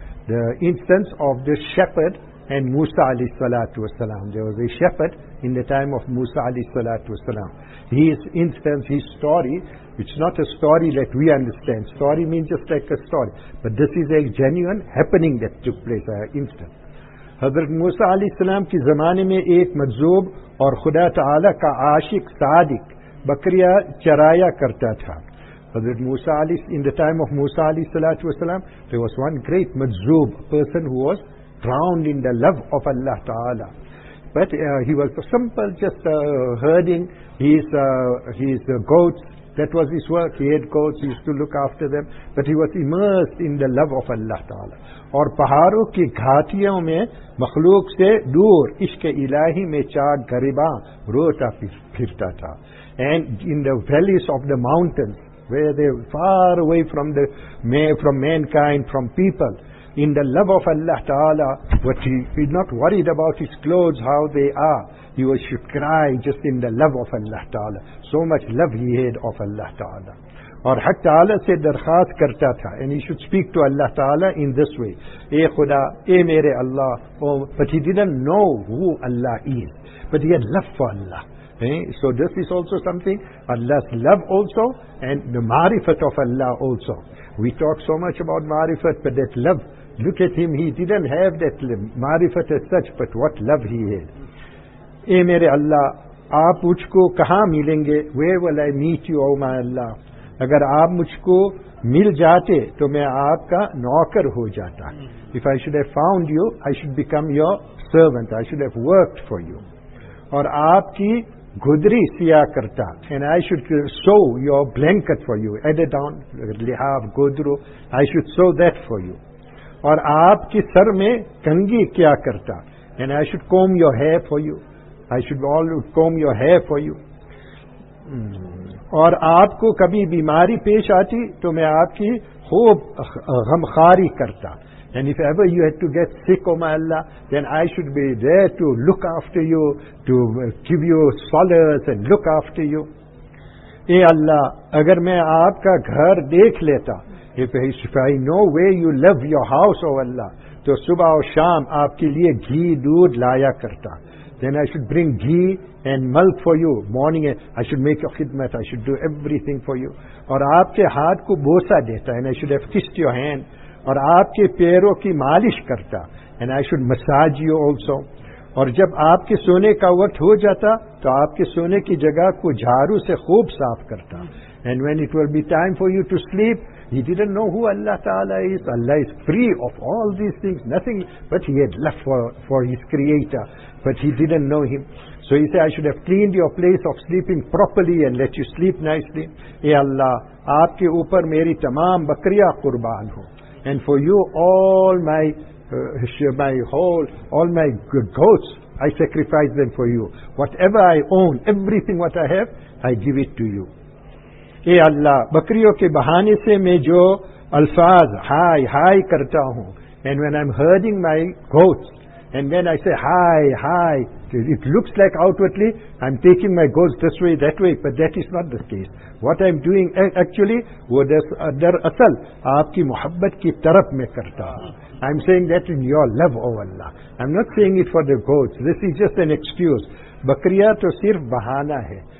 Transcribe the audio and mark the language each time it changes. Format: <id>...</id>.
<en>The instance of the shepherd and Musa alayhi salatu wasalam. There was a shepherd in the time of Musa alayhi salatu wasalam. His instance, his story, which is not a story that we understand. Story means just like a story. But this is a genuine happening that took place, an instance.</en> <ur>حضرت موسیٰ علیہ السلام کی زمانے میں ایک مجذوب اور خدا تعالی کا عاشق صادق بکریہ چرایا کرتا تھا.</ur> <en>حضرت موسیٰ علیہ السلام, in the time of موسیٰ علیہ السلام, there was one great مجذوب, a person who was drowned in the love of Allah تعالی. But he was simple, just herding his goats. That was his work. He had goats, he used to look after them. But he was immersed in the love of Allah تعالی.</en> <ur>اور پہاڑوں کی گھاٹیوں میں مخلوق سے دور عشق الہی میں چاک گریباں روتا پھرتا تھا.</ur> <en>And in the valleys of the mountains, where they were far away from mankind, from people, in the love of Allah Ta'ala, but he was not worried about his clothes, how they are. He was should cry just in the love of Allah Ta'ala. So much love he had of Allah Ta'ala.</en> <ur>اور حق تعالیٰ سے درخواست کرتا تھا,</ur> <en>and he should speak to Allah تعالیٰ in this way,</en> <ur>اے خدا, اے میرے اللہ.</ur> <en>But he didn't know who Allah is, but he had love for Allah. So this is also something, Allah's love also, and the معرفت of Allah also. We talk so much about معرفت, but that love, look at him, he didn't have that معرفت as such, but what love he had.</en> <ur>اے میرے اللہ, آپ مجھ کو کہاں ملیں گے,</ur> <en>where will I meet you, oh my Allah.</en> <ur>اگر آپ مجھ کو مل جاتے تو میں آپ کا نوکر ہو جاتا.</ur> <en>If I should have found you, I should become your servant. I should have worked for you.</en> <ur>اور آپ کی گدری سیاہ کرتا.</ur> <en>And I should sew your blanket for you. Added on, لحاف, گدرو. I should sew that for you.</en> <ur>اور آپ کی سر میں کنگھی کیا کرتا.</ur> <en>And I should comb your hair for you. I should always comb your hair for you.</en> <ur>اور آپ کو کبھی بیماری پیش آتی تو میں آپ کی خوب غمخاری کرتا.</ur> <en>And if ever you had to get sick, oh my Allah, then I should be there to look after you, to give you solace and look after you.</en> <ur>اے اللہ, اگر میں آپ کا گھر دیکھ لیتا,</ur> <en>if I know where you live, your house, oh Allah,</en> <ur>تو صبح اور شام آپ کے لیے گھی دودھ لایا کرتا.</ur> <en>Then I should bring ghee and milk for you. Morning, I should make your khidmat. I should do everything for you.</en> <ur>Aur aapke haath ko bosa deta.</ur> <en>And I should have kissed your hand.</en> <ur>Aur aapke pairon ki malish karta.</ur> <en>And I should massage you also. Aur jab aapke sone ka waqt ho jata, to aapke sone ki jagah ko jharu se khoob saaf karta. And when it will be time for you to sleep, he didn't know who Allah Ta'ala is. Allah is free of all these things. Nothing, but he had love for his creator. But he didn't know him. So he said, I should have cleaned your place of sleeping properly and let you sleep nicely.</en> <ur>Ya Allah, aapke upar meri tamam bakriya qurban ho.</ur> <en>And for you, all my goats, I sacrifice them for you. Whatever I own, everything what I have, I give it to you.</en> <ur>اے اللہ, بکریوں کے بہانے سے میں جو الفاظ ہائے ہائے کرتا ہوں,</ur> <en>and when I'm herding my goats, and then I say hi, it looks like outwardly I'm taking my goals this way, that way, but that is not the case. What I'm doing actually,</en> <ur>dar asal aapki muhabbat ki taraf mein karta.</ur> <en>I'm saying that in your love, O Allah. I'm not saying it for the goats. This is just an excuse.</en> <ur>Bakriya to sirf bahana hai.</ur>